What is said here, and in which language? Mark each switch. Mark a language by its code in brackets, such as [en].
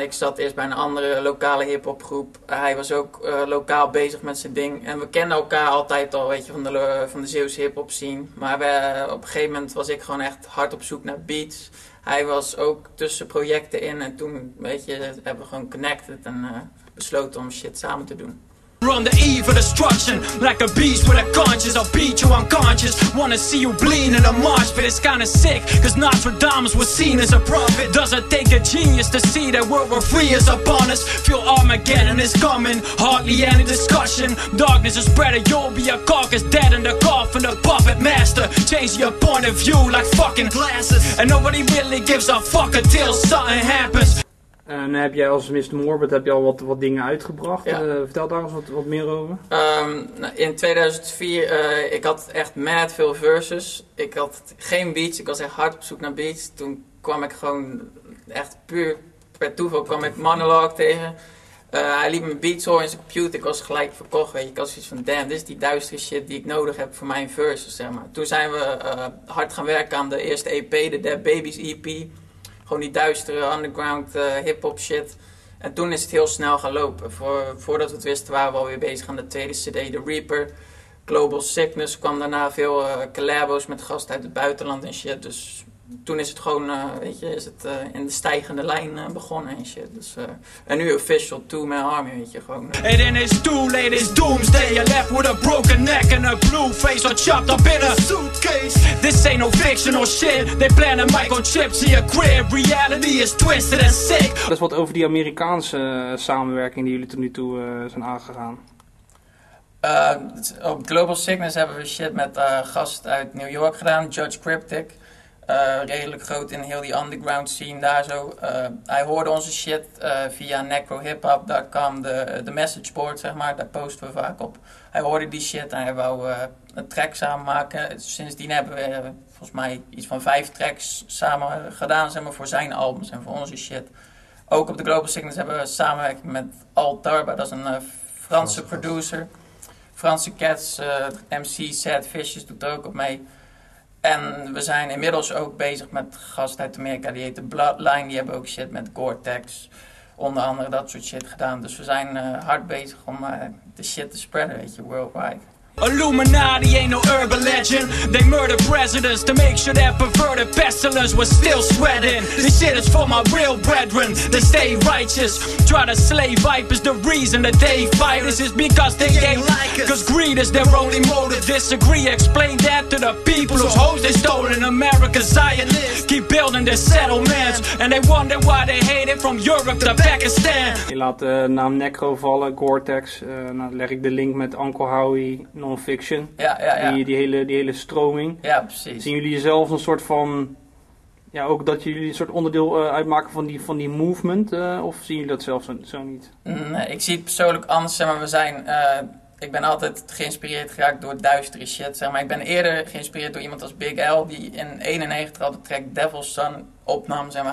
[nl] Ik zat eerst bij een andere lokale hip-hop groep. Hij was ook lokaal bezig met zijn ding. En we kenden elkaar altijd al, weet je, van de Zeeuwse hip-hop scene. Maar op een gegeven moment was ik gewoon echt hard op zoek naar beats. Hij was ook tussen projecten in en toen, weet je, hebben we gewoon connected en besloten om shit samen te doen. [en] We're on the eve of destruction, like a beast with a conscience. I'll beat you unconscious, wanna see you bleed in a marsh pit. It's kinda sick, cause Nostradamus was seen as a prophet. Doesn't take a genius to see that world war free is upon us. Feel Armageddon is coming, hardly any discussion. Darkness is spreading, you'll be a carcass dead in the coffin. The puppet master, change your point of view like fucking glasses. And nobody really gives a fuck until something happens. [nl] En heb jij als Mr. Morbid heb je al wat dingen uitgebracht? Ja. Vertel daar eens wat meer over. In 2004, ik had echt mad veel verses. Ik had geen beats, ik was echt hard op zoek naar beats. Toen kwam ik gewoon echt puur per toeval kwam ik Monologue tegen. Hij liet me beats horen in zijn computer, ik was gelijk verkocht. Weet je. Ik had zoiets van, damn, dit is die duistere shit die ik nodig heb voor mijn verses. Zeg maar. Toen zijn we hard gaan werken aan de eerste EP, de Dead Babies EP. Gewoon die duistere underground hip-hop shit. En toen is het heel snel gaan lopen. Voordat we het wisten waren we alweer bezig aan de tweede CD, The Reaper. Global Sickness kwam daarna, veel collabos met gasten uit het buitenland en shit. Dus toen is het gewoon, in de stijgende lijn begonnen en shit. Dus, en nu official to my army, weet je, gewoon. [en] And then it's too late, it's doomsday. You're left with a broken neck and a blue face. Or chopped up in a suitcase. This ain't no fictional shit. They plan a microchip to your crib. Reality is twisted and sick. [nl] Dat is wat over die Amerikaanse samenwerking die jullie tot nu toe zijn aangegaan. Op Global Sickness hebben we shit met een gast uit New York gedaan, Judge Cryptic. Redelijk groot in heel die underground scene daar zo. Hij hoorde onze shit via necrohiphop.com, de message board, zeg maar, daar posten we vaak op. Hij hoorde die shit en hij wou een track samen maken. Sindsdien hebben we volgens mij iets van 5 tracks samen gedaan, zeg maar, voor zijn albums en voor onze shit. Ook op de Global Sickness hebben we samenwerking met Al Tarba, dat is een Franse producer. Franse Cats, MC Sad Vicious doet er ook op mee. En we zijn inmiddels ook bezig met gasten uit Amerika, die heet de Bloodline. Die hebben ook shit met Gore-Tex, onder andere dat soort shit gedaan. Dus we zijn hard bezig om de shit te spreiden, weet je, worldwide. [en] Illuminati ain't no urban legend. They murder presidents to make sure that perverted pestilence was still spreading. This shit is for my real brethren to stay righteous. Try to slay vipers, the reason that they fight us is because they ain't like us. Cause greed is their only motive. Disagree, explain that to the people whose hopes they stole in America. Zionists keep building their settlements and they wonder why they hate it from Europe to Pakistan. [nl] Je laat de naam Necro vallen, Gore-Tex. Dan leg ik de link met Uncle Howie. Non-fiction, ja. Die hele stroming. Ja, precies. Zien jullie jezelf een soort van, ja, ook dat jullie een soort onderdeel uitmaken van die movement, of zien jullie dat zelf zo niet? Nee, ik zie het persoonlijk anders, zeg maar. Ik ben altijd geïnspireerd geraakt door duistere shit, zeg maar. Ik ben eerder geïnspireerd door iemand als Big L, die in 91 al de track Devil's Son opnam, zeg maar.